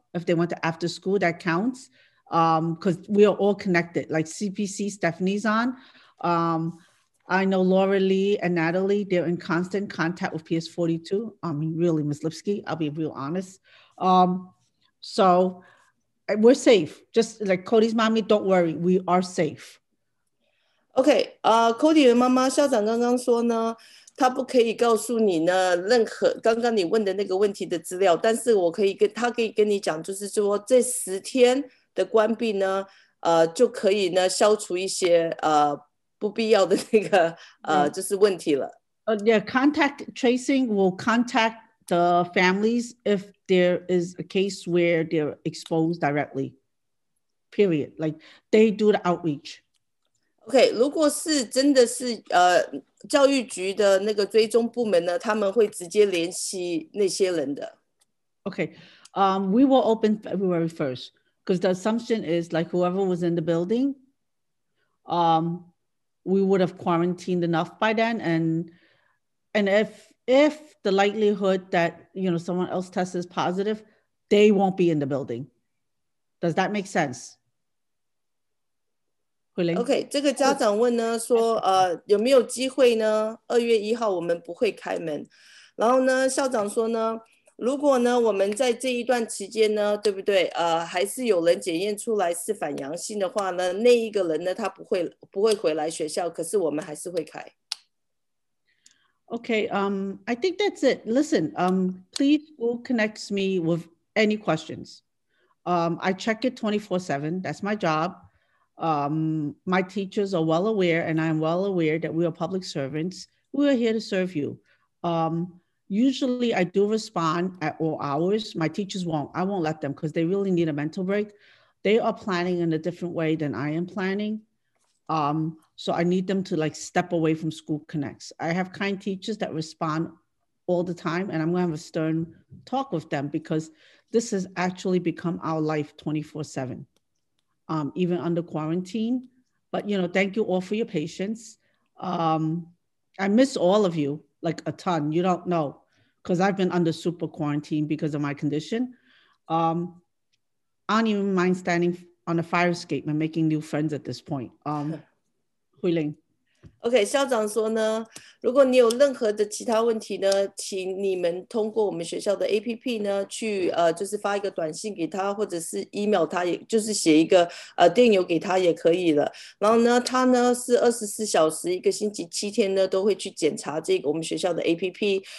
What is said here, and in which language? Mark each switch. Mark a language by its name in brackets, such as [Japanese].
[English] If they went to after school, that counts. Because we are all connected, like CPC, Stephanie's on. I know Laura Lee and Natalie, they're in constant contact with PS42. I mean, really, Ms. Lipsky, I'll be real honest. So we're safe. Just like Cody's mommy, don't worry. We are safe. [Chinese] OK, Cody 的妈妈校长刚刚说呢，他不可以告诉你呢任何刚刚你问的那个问题的资料，但是我可以跟他可以跟你讲，就是说这十天的关闭呢，就可以呢消除一些不必要的那个就是问题了。 [English] Contact tracing will contact the families if there is a case where they're exposed directly. Period. Like they do the outreach. [Chinese] Okay, 如果是真的是教育局的那个追踪部门呢，他们会直接联系那些人的。 [English] Okay, we will open February 1st because the assumption is like whoever was in the building, we would have quarantined enough by then, and if the likelihood that you know someone else tests positive, they won't be in the building. Does that make sense? [Chinese] Okay, 这个家长问呢说有没有机会呢 ?2 月1号我们不会开门。然后呢校长说呢如果呢我们在这一段期间呢对不对还是有人检验出来是反阳性的话呢那一个人呢他不会回来学校可是我们还是会开。 [English] Okay, I think that's it. Listen, please school connects me with any questions. I check it 24/7, that's my job. My teachers are well aware and I'm well aware that we are public servants. We are here to serve you. Usually I do respond at all hours. My teachers won't. I won't let them because they really need a mental break. They are planning in a different way than I am planning. So I need them to like step away from School Connects. I have kind teachers that respond all the time and I'm going to have a stern talk with them because this has actually become our life 24/7. Even under quarantine. But, you know, thank you all for your patience. I miss all of you, like a ton. You don't know, because I've been under super quarantine because of my condition. I don't even mind standing on a fire escape and making new friends at this point. Huiling. [Chinese] Okay, 校长说呢，如果你有任何的其他问题呢，请你们通过我们学校的 APP 呢，去就是发一个短信给他，或者是 email 他，也就是写一个电邮给他也可以了。然后呢，他呢是24小时，一个星期七天呢都会去检查这个我们学校的 APP。